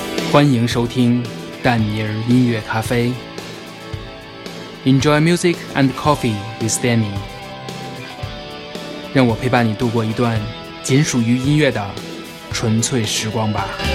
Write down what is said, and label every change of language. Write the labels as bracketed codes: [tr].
[zh] 欢迎收听丹尼尔音乐咖啡。 [en] Enjoy music and coffee with Danny。 [zh] 让我陪伴你度过一段仅属于音乐的纯粹时光吧。